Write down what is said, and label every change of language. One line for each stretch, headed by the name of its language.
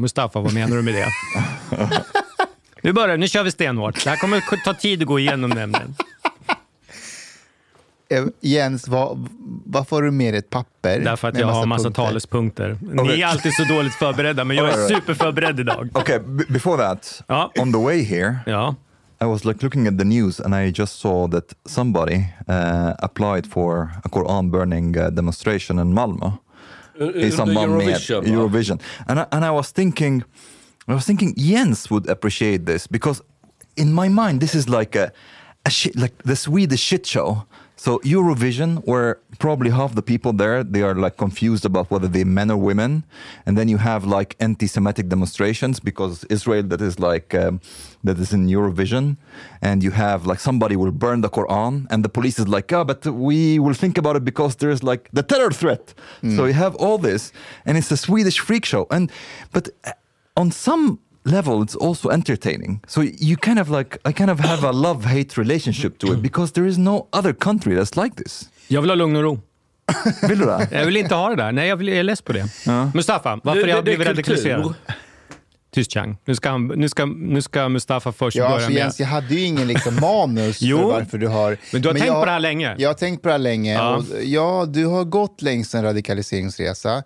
Swedish: Mustafa, vad menar du med det? Nu börjar, nu kör vi stenhårt. Det här kommer ta tid att gå igenom nämnden. Jens, varför har du med ett papper? Därför att jag har en massa talespunkter. Ni är alltid så dåligt förberedda, men jag är superförberedd idag.
English: Okay, before that, on the way here, I was like looking at the news and I just saw that somebody applied for a Quran burning demonstration in Malmö. Eurovision. And I was thinking Jens would appreciate this, because in my mind this is like the Swedish shit show. So Eurovision, where probably half the people there, they are like confused about whether they're men or women. And then you have like anti-Semitic demonstrations because Israel that is like, that is in Eurovision. And you have like somebody will burn the Quran and the police is like, oh, but we will think about it because there is like the terror threat. Mm. So you have all this and it's a Swedish freak show. But on some level, it's also entertaining. So you kind of like, I kind of have a love-hate relationship to it because there is no other country that's like this.
Swedish: Jag vill ha lugn och ro. Vill du det? Jag vill inte ha det där. Nej, jag är less på det. Ja. Mustafa, varför jag blivit radikaliserad? Tyst, Chang. Nu ska Mustafa först börja med. Jens, jag hade ju ingen liksom manus för varför du har... Men du har tänkt på det här länge. Jag har tänkt på det här länge. Ja, du har gått längs en radikaliseringsresa.